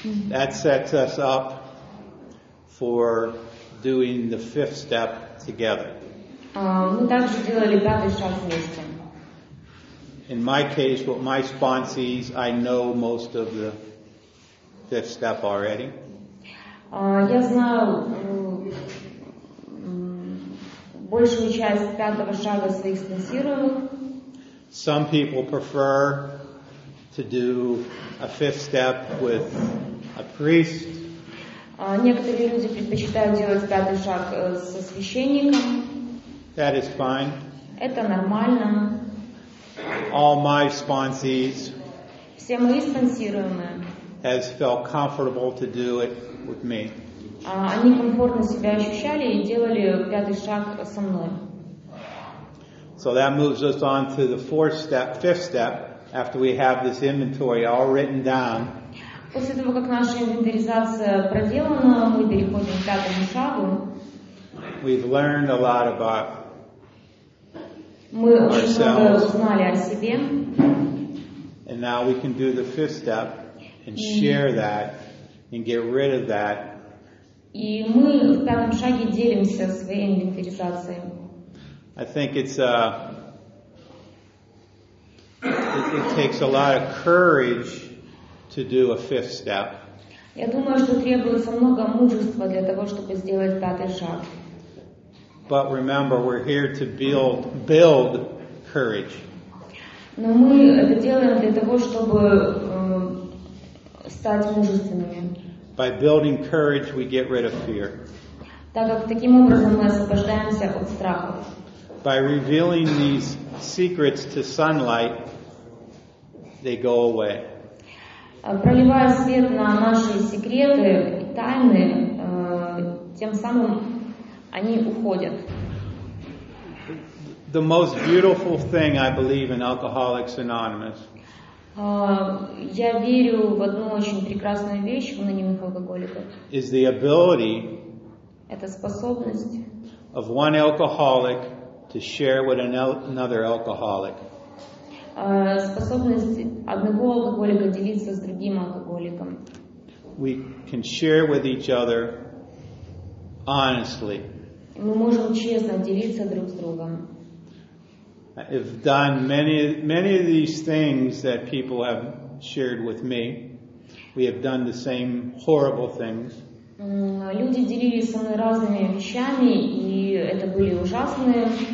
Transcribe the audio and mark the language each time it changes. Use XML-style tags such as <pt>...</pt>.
<en>That sets us up for doing the fifth step together.</en> <ru>Мы также делали пятый шаг вместе.</ru> <en>In my case, with my sponsees, I know most of the fifth step already.</en> <ru>Я знаю большую часть пятого шага своих спонсируемых.</ru> <en>Some people prefer to do a fifth step with a priest.</en> <ru>Некоторые люди предпочитают делать пятый шаг со священником.</ru> <en>That is fine.</en> <ru>Это нормально.</ru> <en>All my sponsees.</en> <ru>Все мои спонсируемые.</ru> <en>Has felt comfortable to do it with me.</en> <ru>Они комфортно себя ощущали и делали пятый шаг со мной.</ru> <en>So that moves us on to the fourth step, fifth step, after we have this inventory all written down.</en> <ru>После того, как наша инвентаризация проделана, мы переходим к пятому шагу.</ru> <en>We've learned a lot about</en> <ru>мы очень много узнали о себе.</ru> <en>And now we can do the fifth step and share that and get rid of that.</en> <ru>И мы в пятом шаге делимся своей инвентаризацией.</ru> <en>I think it takes a lot of courage to do a fifth step.</en> <ru>Я думаю, что требуется много мужества для того, чтобы сделать пятый шаг.</ru> <en>But remember, we're here to build courage.</en> <ru>Но мы это делаем для того, чтобы стать мужественными.</ru> <en>By building courage, we get rid of fear.</en> <ru>Так как таким образом мы освобождаемся от страхов.</ru> <en>By revealing these secrets to sunlight, they go away.</en> <ru>Проливая свет на наши секреты и тайны, тем самым они уходят.</ru> <en>The most beautiful thing I believe in Alcoholics Anonymous.</en> <ru>Я верю в одну очень прекрасную вещь в анонимных алкоголиках.</ru> <en>Is the ability.</en> <ru>Это способность.</ru> <en>Of one alcoholic. To share with another alcoholic.</en> <ru>Способность одного алкоголика делиться с другим алкоголиком.</ru> <en>We can share with each other honestly.</en> <ru>Мы можем честно делиться друг с другом.</ru> <en>I've done many of these things that people have shared with me. We have done the same horrible things.</en> <ru>Люди делились со мной разными вещами, и это были ужасные.</ru>